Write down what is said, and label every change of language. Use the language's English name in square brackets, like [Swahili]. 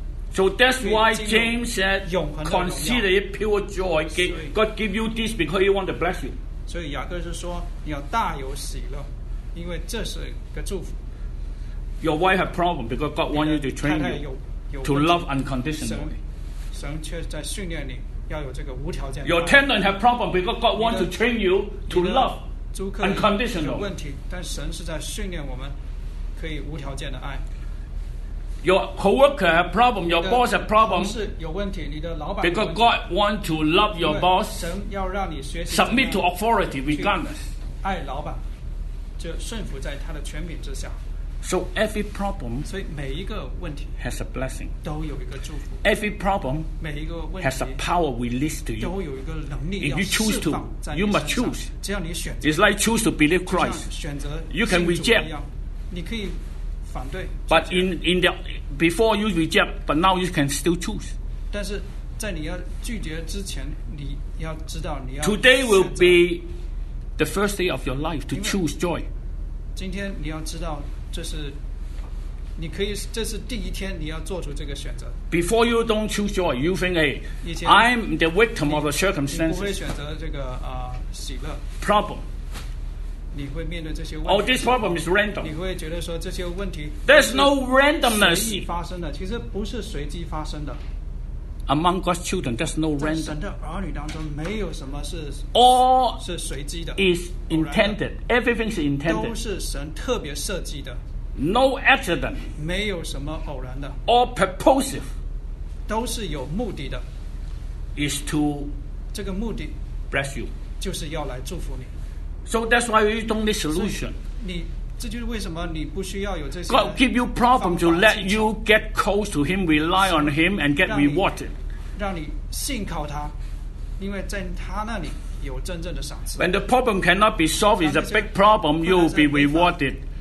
[English] So that's why James said, consider it pure joy. God give you this because he wants to bless you. [Chinese] So 雅各是说你要大有喜乐，因为这是个祝福。 [English] Your wife has problem because God wants you to train you to love unconditionally. [Chinese] 神却在训练你。要有这个无条件的 [English] Your tenant have problem because God wants to train you to love unconditional. [Chinese] 问题，但神是在训练我们可以无条件的爱。 [English] Your coworker have problem, your boss have problem. [Chinese] 同事有问题，你的老板。 [English] Because God wants to love your boss. [Chinese] 神要让你学习。 [English] Submit to authority regardless. [Chinese] 爱老板，就顺服在他的权柄之下。 [English] So every problem [Chinese] 所以每一个问题 [English] has a blessing. [Chinese] 都有一个祝福。 [English] Every problem [Chinese] 每一个问题 [English] has a power released to you. [Chinese] 都有一个能力要释放。 [English] If you choose to, you must choose. [Chinese] 只要你选择。 [English] It's like choose to believe Christ. [Chinese] 选择。 [English] You can reject. [Chinese] 你可以反对。 [English] But in the before you reject, but now you can still choose. [Chinese] 但是在你要拒绝之前，你要知道你要。 [English] Today will be the first day of your life to choose joy. [Chinese] 今天你要知道。这是你可以，这是第一天你要做出这个选择。 [English] Before you don't choose joy, you think, "Hey, I'm the victim of the circumstances." [Chinese] 你不会选择这个喜乐。 [English] Problem. [Chinese] 你会面对这些问题。 [English] Oh, this problem is random. [Chinese] 你会觉得说这些问题。 [English] There's no randomness. [Chinese] 随意发生的，其实不是随机发生的。 [English] Among God's children, there's no random. [Chinese] 在神的儿女当中，没有什么是 [English] all [Chinese] 是随机的 [English] is intended. Everything is intended. [Chinese] 都是神特别设计的 [English] No accident. [Chinese] 没有什么偶然的 [English] All purposive. [Chinese] 都是有目的的 [English] Is to [Chinese] 这个目的 [English] bless you. [Chinese] 就是要来祝福你 [English] So that's why you don't need solution. [Chinese] 你这就是为什么你不需要有这些 [English] God give you problem to let you get close to him rely on him and get rewarded [Chinese] 让你信靠他因为在他那里有真正的赏赐 [English] When the problem cannot be solved it's a big problem you will be rewarded